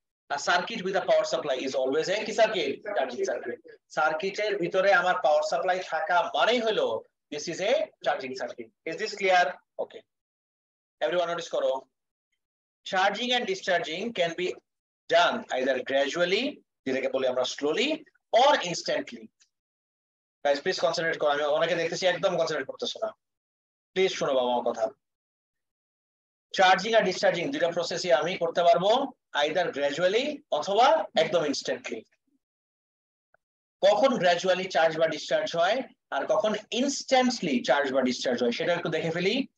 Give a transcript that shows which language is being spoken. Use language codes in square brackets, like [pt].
[en] A circuit with a power supply is always a circuit, charging circuit. [bn] Circuit এর ভিতরে আমার power supply থাকা মানেই হলো [en] this is a charging circuit. Is this clear? Okay. Everyone notice করো, charging and discharging can be done either gradually, [bn] যেটাকে বলি আমরা [en] slowly, or instantly. [bn] Guys, please concentrate করো, আমি অনেকে দেখতেছি একদম concentrate করতেছো না, প্লিজ শোনো বাবা আমার কথা। চার্জিং আর ডিসচার্জিং দুটো প্রসেসই আমি করতে পারবো [en] either gradually [bn] অথবা একদম ইনস্ট্যান্টলি। কখন গ্র্যাজুয়ালি চার্জ বা ডিসচার্জ হয় আর কখন ইনস্ট্যান্টলি চার্জ বা ডিসচার্জ হয় সেটা একটু দেখে ফেলি।